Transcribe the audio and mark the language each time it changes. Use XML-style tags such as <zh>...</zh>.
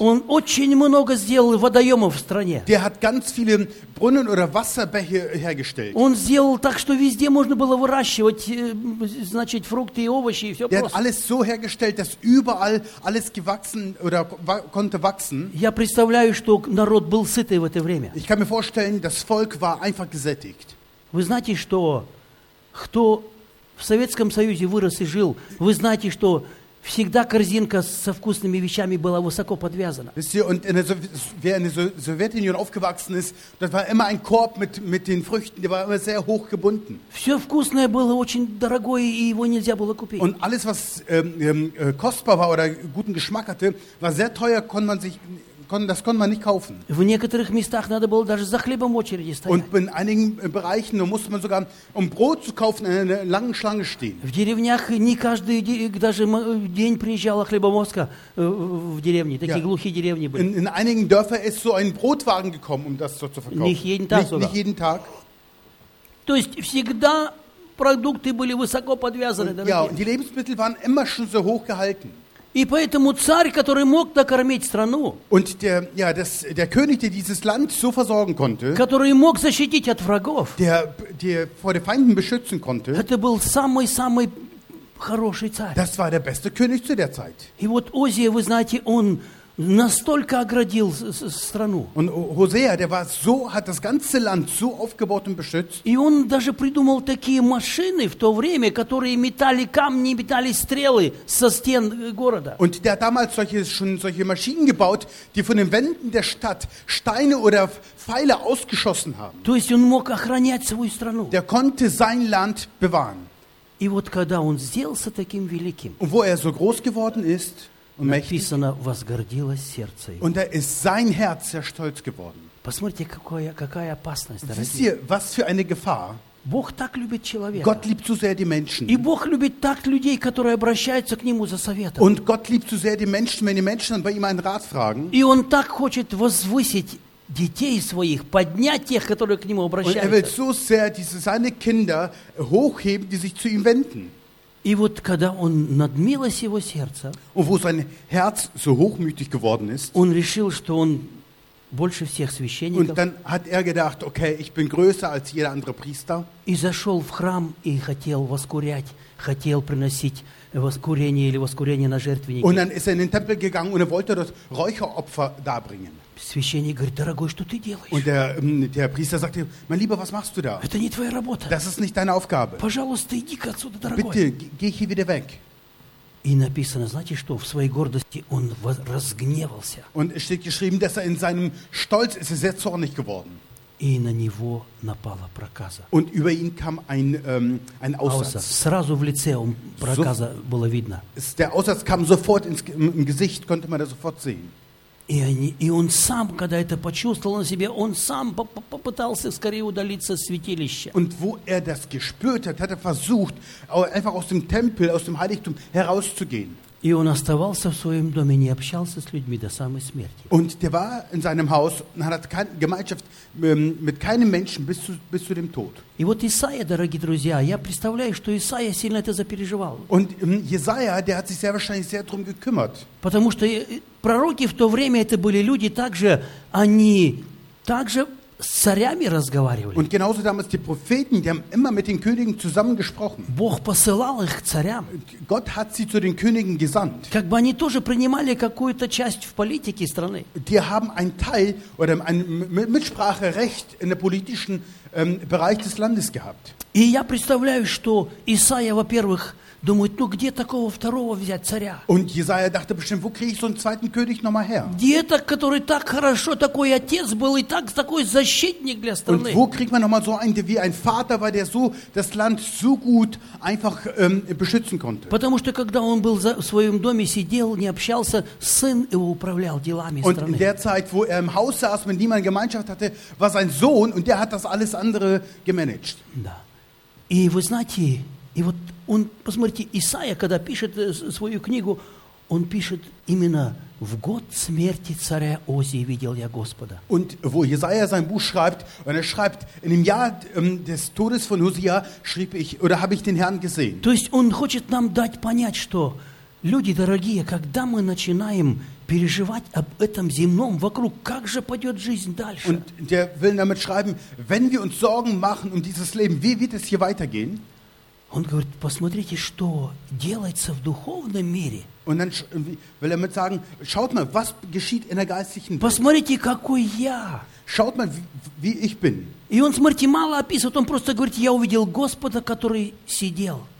<ru>Он очень много сделал водоемов в стране.</ru> <de>Der hat ganz viele Brunnen oder Wasserbäche hergestellt.</de> <ru>Он сделал так, что везде можно было выращивать, значит, фрукты и овощи и все.</ru> <de>Der hat alles so hergestellt, dass überall alles gewachsen oder konnte wachsen.</de> <ru>Я представляю, что народ был сытый в это время.</ru> <de>Ich kann mir vorstellen, das Volk war einfach gesättigt.</de> <ru>Вы знаете, что кто в Советском Союзе вырос и жил, вы знаете, что всегда корзинка со вкусными вещами была высоко подвязана.</ru> <de>Wer in der Sowjetunion aufgewachsen ist, das war immer ein Korb mit den Früchten, der war immer sehr hoch gebunden.</de> <ru>Все вкусное было очень дорогое, и его нельзя было купить.</ru> <de>Und alles, was kostbar war oder guten Geschmack hatte, war sehr teuer, konnte man sich das konnte man nicht kaufen.</de> <ru>В некоторых местах надо было даже за хлебом очереди стоять.</ru> <de>Und in einigen Bereichen musste man sogar um Brot zu kaufen in einer langen Schlange stehen.</de> <ru>В деревнях не каждый даже день приезжала хлебовозка в деревни. Такие глухие деревни были.</ru> <de>In einigen Dörfern ist so ein Brotwagen gekommen, um das dort zu verkaufen. Nicht jeden Tag. Nicht jeden Tag.</de> <ru>То есть всегда продукты были высоко подвязаны.</ru> <de>Ja, die Lebensmittel waren immer schon so hoch gehalten.</de> <ru>И поэтому царь, который мог накормить страну,</ru> <de>und der König, der dieses Land so versorgen konnte,</de> <ru>который мог защитить от врагов,</ru> <de>der vor den Feinden beschützen konnte,</de> <ru>это был самый-самый хороший царь.</ru> <de>Das war der beste König zu der Zeit.</de> <ru>И вот Озия, вы знаете, он настолько оградил страну.</ru> <de>Und Hosea, der war so, hat das ganze Land so aufgebaut und beschützt.</de> <ru>И он даже придумал такие машины в то время, которые метали камни, метали стрелы со стен города.</ru> <de>Und der hat damals solche Maschinen gebaut, die von den Wänden der Stadt Steine oder Pfeile ausgeschossen haben.</de> <ru>То есть он мог охранять свою страну.</ru> <de>Der konnte sein Land bewahren.</de> <ru>И вот когда он сделался таким великим.</ru> <de>Und wo er so groß geworden ist.</de> <ru>Написано, возгордилось сердце его.</ru> <de>Und da ist sein Herz sehr stolz geworden.</de> <ru>Посмотрите, какая опасность, дорогие.</ru> <de>Wisst ihr, was für eine Gefahr?</de> <ru>Бог так любит человека.</ru> <de>Gott liebt so sehr die Menschen.</de> <ru>И Бог любит так людей, которые обращаются к нему за советом.</ru> <de>Und Gott liebt so sehr die Menschen, wenn die Menschen dann bei ihm einen Rat fragen.</de> <ru>И он так хочет возвысить детей своих, поднять тех, которые к нему обращаются.</ru> <de>Und er will so sehr diese seine Kinder hochheben, die sich zu ihm wenden.</de> <ru>И вот когда он надмилось его сердце,</ru> <de>und wo sein Herz so hochmütig geworden ist,</de> <ru>он решил, что он больше всех священников.</ru> <de>Und dann hat er gedacht, okay, ich bin größer als jeder andere Priester.</de> <ru>И зашел в храм и хотел воскурять, хотел приносить воскурение или воскурение на жертвеннике.</ru> <de>Und dann ist er in den Tempel gegangen und er wollte dort Räucheropfer darbringen.</de> <ru>Священник говорит: «Дорогой, что ты делаешь?»</ru> <de>Und der Priester sagte: «Mein Lieber, was machst du da?»</de> <ru>Это не твоя работа.</ru> <de>Das ist nicht deine Aufgabe.</de> <ru>Пожалуйста, иди-ка отсюда, дорогой.</ru> <de>Bitte, geh hier wieder weg.</de> <ru>И написано, знаете что, в своей гордости он разгневался.</ru> <de>Und es steht geschrieben, dass er in seinem Stolz ist er sehr zornig geworden.</de> <ru>И на него напала проказа.</ru> <de>Und über ihn kam ein Aussatz.</de> <ru>Сразу в лице он проказа</ru> <de>so,</de> <ru>было видно.</ru> <de>Der Aussatz kam sofort ins im Gesicht, konnte man das sofort sehen.</de> <ru>И, они, и он сам, когда это почувствовал на себе, он сам попытался скорее удалиться из святилища.</ru> <de>Und wo er das gespürt hat, hat er versucht, einfach aus dem Tempel, aus dem Heiligtum herauszugehen.</de> <ru>И он оставался в своем доме, не общался с людьми до самой смерти.</ru> <de>Und der war in seinem Haus und hat keine Gemeinschaft mit keinem Menschen bis zu dem Tod.</de> <ru>И вот Исаия, дорогие друзья, я представляю, что Исаия сильно это запереживал.</ru> <de>Und Jesaja, der hat sich sehr wahrscheinlich sehr drum gekümmert.</de> <ru>Потому что пророки в то время это были люди также, они также с царями разговаривали.</ru> <de>Und genauso damals die Propheten, die haben immer mit den Königen zusammengesprochen.</de> <ru>Бог посылал их к царям.</ru> <de>Gott hat sie zu den Königen gesandt.</de> <ru>Как бы они тоже принимали какую-то часть в политике страны.</ru> <de>Die haben einen Teil oder ein Mitspracherecht in der politischen Bereich des Landes gehabt.</de> <ru>И я представляю, что Исаия, во-первых, думает, ну где такого второго взять царя?</ru> <de>Und Jesaja dachte bestimmt, wo kriege ich so einen zweiten König nochmal her?</de> <ru>Где-то, который так хорошо, такой отец был и так такой защитник для страны.</ru> <de>Und wo kriegt man nochmal so einen, wie ein Vater war, der so das Land so gut einfach beschützen konnte?</de> <ru>Потому что когда он был в своем доме сидел, не общался, сын его управлял делами</ru> <de>und</de> <ru>страны.</ru> <de>Und in der Zeit, wo im Haus saß, mit niemand Gemeinschaft hatte, war sein Sohn und der hat das alles andere gemanagt.</de> <ru>Да. И вы знаете, и вот он, посмотрите, Исаия, когда пишет свою книгу, он пишет именно «В год смерти царя Озии видел я Господа».</ru> <de>Und wo Jesaja sein Buch schreibt, und er schreibt, in dem Jahr des Todes von Hosea schrieb ich, oder habe ich den Herrn gesehen.</de> <ru>То есть он хочет нам дать понять, что люди дорогие, когда мы начинаем переживать об этом земном вокруг, как же пойдет жизнь дальше?</ru> <de>Und der will damit schreiben, wenn wir uns Sorgen machen um dieses Leben, wie wird es hier weitergehen?</de> <ru>Он говорит, посмотрите, что делается в духовном мире.</ru> <de>Und dann will er mit sagen, schaut mal, was geschieht in der geistlichen Welt.</de> <ru>Посмотрите, какой я.</ru> <de>Schaut mal, wie ich bin.</de> <ru>И он, смотрите, мало описывает, он просто говорит, я увидел Господа, который сидел.</ru>